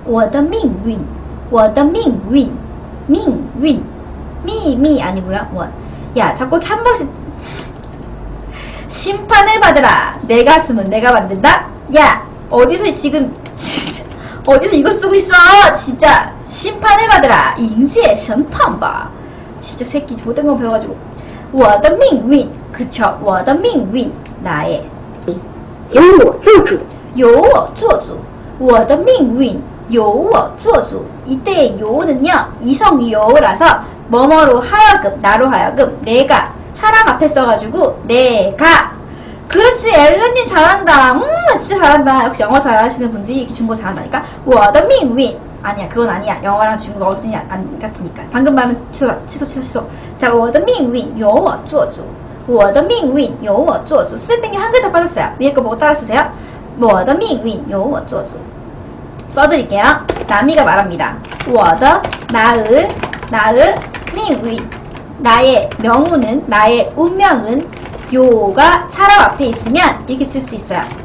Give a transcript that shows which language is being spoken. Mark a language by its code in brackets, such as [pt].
[zh] 我的命运我的命运我的命运. [ko] 命运.미미 아니고요. 我. 야, 자꾸 이렇게 한 번씩 심판을 받으라. 내가 쓰면 내가 만든다? 야, 어디서 지금 진짜 어디서 이거 쓰고 있어? 진짜 심판을 받으라. 인지의 심판봐. 진짜 새끼 못된 거 배워가지고. [zh] 我的命运. [ko] 그쵸. [zh] 我的命运.나의. 由我做主. 由我做主.我的命运.由我做主. [ko] 이때 요는요, 이성 요라서 뭐뭐로 하여금, 나로 하여금, 내가. 사람 앞에 써가지고 내가. 그렇지, 엘런님 잘한다. 진짜 잘한다. 역시 영어 잘하시는 분들이 이렇게 중국어 잘한다니까. [zh] 我的命运. [ko] 아니야, 그건 아니야. 영어랑 중국어 어순이 안 같으니까. 방금 말은 취소. [zh] 자, 我的命运由我做主我的命运由我做主. [ko] 선생님이 한 글자 빠졌어요. 위에 거 보고 따라 쓰세요. [zh] 我的命运由我做主. [ko] 써드릴게요. 나미가 말합니다. 我的 나의 命运. 나의 명운은, 나의 운명은 요가 사람 앞에 있으면 이렇게 쓸 수 있어요.